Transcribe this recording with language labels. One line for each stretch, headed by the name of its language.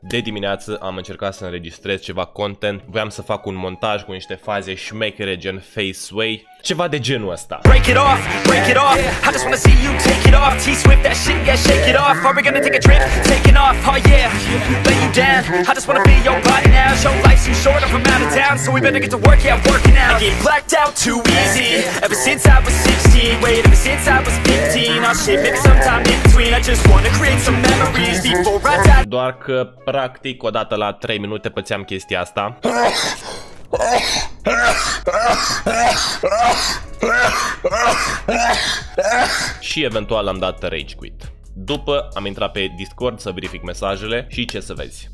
Romanian: De dimineață am încercat să înregistrez ceva content. Voiam să fac un montaj cu niște faze șmechere gen Faceway. Ceva de genul ăsta.
English: Break it off, break it off. I just wanna see you take it off. T-Swift that shit, yeah, shake it off. Are we gonna take a trip, taking off, oh yeah. Lay you down, I just wanna be your body now. Show life's too short, I'm from out of town. So we better get to work, yeah, working out. I get blacked out too easy. Ever since I was 16, wait, ever since I was 15. Oh shit, maybe sometime in between. I just wanna create some memories before I die.
Romanian: Doar că, practic, odată la 3 minute pățeam chestia asta. Și eventual am dat rage quit. După am intrat pe Discord să verific mesajele și ce să vezi?